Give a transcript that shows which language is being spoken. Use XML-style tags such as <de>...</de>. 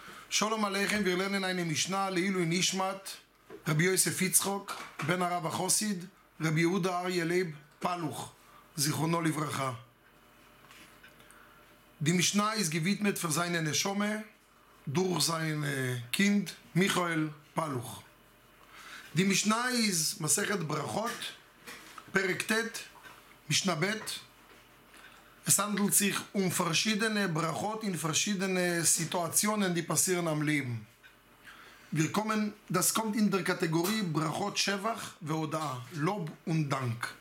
<he>שלום עליכם, וירלנן אין המשנה, לאילוי נשמת, רבי יוסף יצחוק, בן הרב החוסיד, רבי יהודה אריה לייב פלוך, זיכרונו לברכה.</he> <yi>די משנה איז גוויטמט פר זיין נשומה, דור זיין קינד, מיכאל פלוך. די משנה איז מסכת ברכות, פרק ט', משנה ב',</yi> <de>es handelt sich um verschiedene Brachot in verschiedene Situationen, die passieren am Leben. Wir kommen, das kommt in der Kategorie Brachot Shevach ve'Hoda, Lob und Dank.</de>